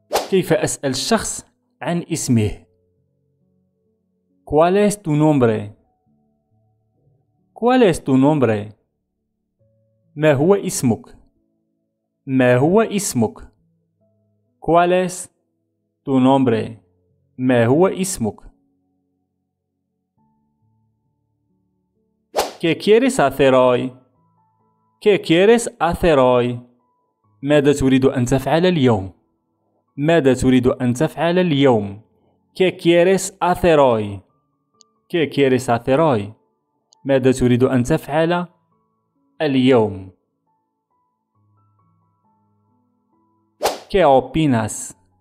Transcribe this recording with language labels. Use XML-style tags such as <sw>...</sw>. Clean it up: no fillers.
<ar>كيف أسأل الشخص عن اسمه؟</ar> <es>¿Cuál es tu nombre? ¿Cuál es tu nombre?</es> <ar>ما هو اسمك؟ ما هو اسمك؟</ar> <es>¿Cuál es tu nombre?</es> <ar>ما هو اسمك؟</ar> <es>¿Qué quieres hacer hoy? ¿Qué quieres hacer hoy?</es> <ar>ماذا تريد أن تفعل اليوم؟ ماذا تريد أن تفعل اليوم؟</ar> <es>¿Qué quieres hacer hoy? ¿Qué quieres hacer hoy?</es> <ar>ماذا تريد أن تفعل اليوم؟</ar> <es>¿Qué opinas?</es>